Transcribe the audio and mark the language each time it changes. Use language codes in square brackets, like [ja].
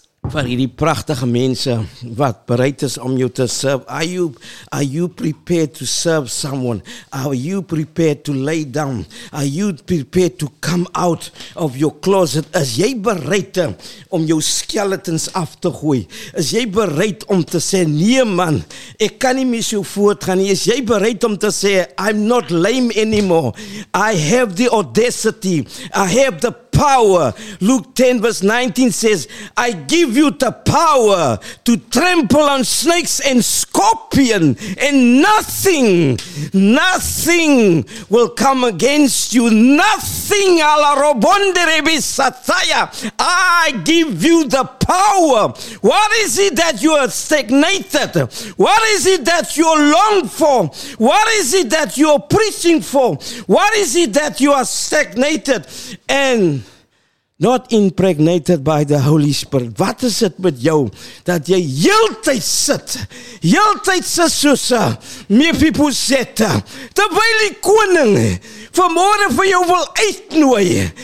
[af] van hierdie pragtige mense wat bereid is om jou te serve. [en] Are you prepared to serve someone? Are you prepared to lay down? Are you prepared to come out of your closet? [af] Is jy bereid om jou skeletons af te gooi? Is jy bereid om te sê, nee man, ek kan nie meer so voortgaan nie. Is jy bereid om te sê, [en] I'm not lame anymore. I have the audacity. I have the power. Luke 10 verse 19 says, I give you the power to trample on snakes and scorpion, and nothing will come against you. Nothing. I give you the power. What is it that you are stagnated? What is it that you long for? What is it that you are preaching for? What is it that you are stagnated and not impregnated by the Holy Spirit? [af] Wat is het met jou, dat jy heeltyd sit, heeltyd sit soos meer people sit, terwijl die koning vanmorgen vir jou wil uitnooi.